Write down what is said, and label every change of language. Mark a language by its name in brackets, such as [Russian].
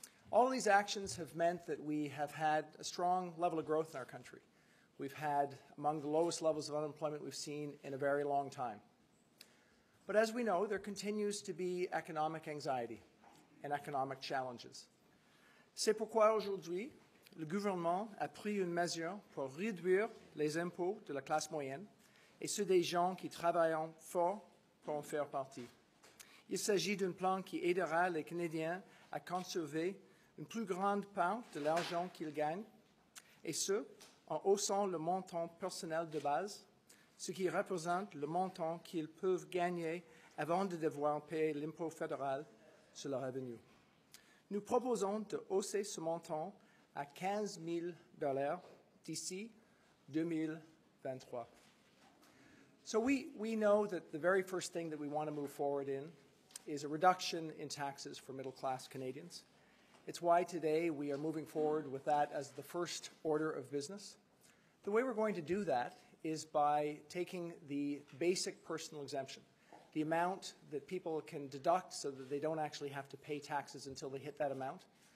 [English] All these actions have meant that we have had a strong level of growth in our country. We've had among the lowest levels of unemployment we've seen in a very long time. But as we know, there continues to be economic anxiety and economic challenges. [French] C'est pourquoi aujourd'hui, le gouvernement a pris une mesure pour réduire les impôts de la classe moyenne et ceux des gens qui travaillent fort pour en faire partie. Il s'agit d'un plan qui aidera les Canadiens à conserver une plus grande part de l'argent qu'ils gagnent, et ce, en haussant le montant personnel de base, ce qui représente le montant qu'ils peuvent gagner avant de devoir payer l'impôt fédéral sur le revenu. Nous proposons de hausser ce montant à 15 000 $ d'ici 2023. [English] So we know that the very first thing that we want to move forward in is a reduction in taxes for middle-class Canadians. It's why today we are moving forward with that as the first order of business. The way we're going to do that is by taking the basic personal exemption, the amount that people can deduct so that they don't actually have to pay taxes until they hit that amount.